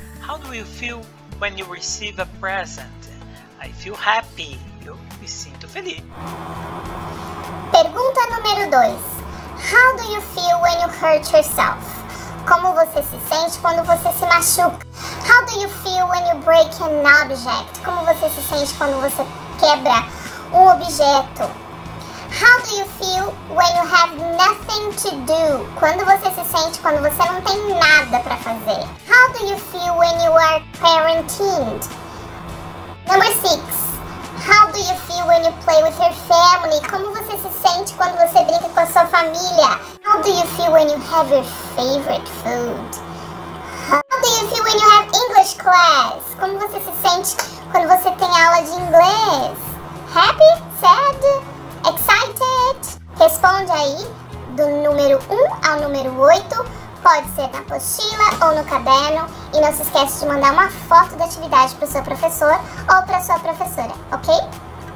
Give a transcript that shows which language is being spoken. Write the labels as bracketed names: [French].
[English] How do you feel when you receive a present? I feel happy. [Portuguese] Eu me sinto feliz. Pergunta número 2. [English] How do you feel when you hurt yourself? [Portuguese] Como você se sente quando você se machuca? [English] How do you feel when you break an object? [Portuguese] Como você se sente quando você quebra um objeto? [English] How do you feel when you have nothing to do? [Portuguese] Quando você se sente quando você não tem nada para fazer? [English] How do you feel when you are quarantined? Number 6. How do you feel when you play with your family? [Portuguese] Como você se sente quando você brinca com a sua família? [English] How do you feel when you have your favorite food? How do you feel when you have English class? [Portuguese] Como você se sente quando você tem aula de inglês? [English] Happy? Sad? Excited? [Portuguese] Responde aí do número 1 ao número 8. Pode ser na apostila ou no caderno. E não se esquece de mandar uma foto da atividade para o seu professor ou para a sua professora, ok?